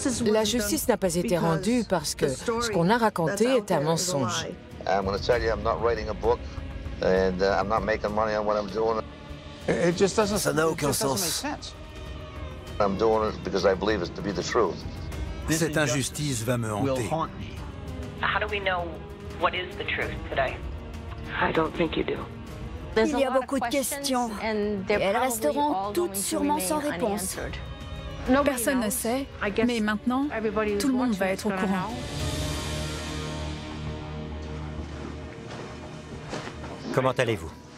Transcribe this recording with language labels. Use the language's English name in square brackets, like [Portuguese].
[French] La justice n'a pas été rendue parce que ce qu'on a raconté est un mensonge. [English] I'm going to tell you I'm not writing a book and I'm not making money on what I'm doing. It just doesn't. [French] Ça n'a aucun sens. [English] I'm doing it because I believe it to be the truth. [French] Cette injustice va me hanter. [English] How do we know what is the truth today? I don't think you do. [French] Il y a beaucoup de questions et elles resteront toutes sûrement sans réponse. Personne ne sait, mais maintenant, tout le monde va être au courant. Comment allez-vous?